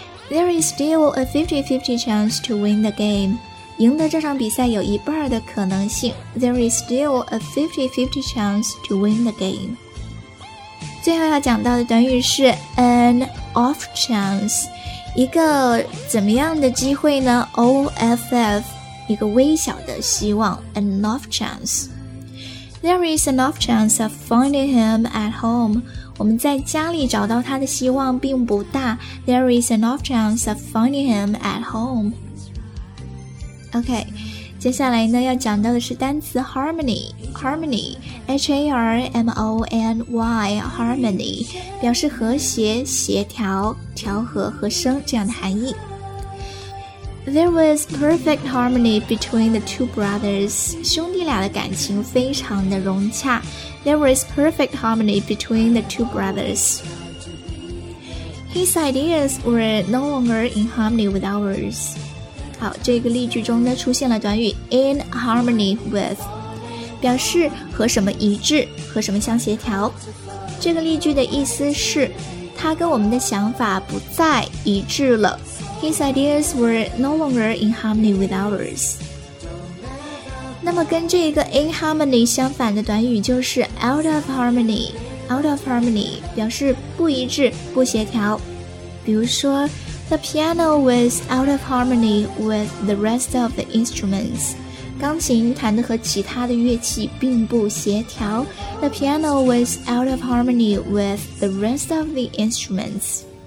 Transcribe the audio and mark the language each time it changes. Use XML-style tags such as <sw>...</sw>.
<en>There is still a 50-50 chance to win the game.</en> <zh>赢得这场比赛有一半的可能性。</zh> <en>There is still a 50-50 chance to win the game.</en> <zh>最后要讲到的短语是</zh> <en>an off chance.</en> <zh>一个怎么样的机会呢 ?OFF, 一个微小的希望 ,</zh> <en>an off chance. There is an off chance of finding him at home.</en> <zh>我们在家里找到他的希望并不大。</zh> <en>There is an off chance of finding him at home.</en> <zh>OK, 接下来呢要讲到的是单词 harmony. Harmony, H-A-R-M-O-N-Y, harmony, 表示和谐、协调、调和、和声这样的含义。</zh> <en>There was perfect harmony between the two brothers.</en> <zh>兄弟俩的感情非常的融洽。</zh> <en>There was perfect harmony between the two brothers. His ideas were no longer in harmony with ours.</en> <zh>好，这个例句中呢出现了短语</zh> <en>in harmony with,</en> <zh>表示和什么一致，和什么相协调。这个例句的意思是，他跟我们的想法不再一致了。</zh> <en>His ideas were no longer in harmony with ours.</en> <zh>那么跟这个</zh> <en>in harmony</en> <zh>相反的短语就是</zh> <en>out of harmony. Out of harmony</en> <zh>表示不一致、不协调。比如说</zh> <en>,the piano was out of harmony with the rest of the instruments.</en> <zh>钢琴弹得和其他的乐器并不协调。</zh> <en>The piano was out of harmony with the rest of the instruments.</en>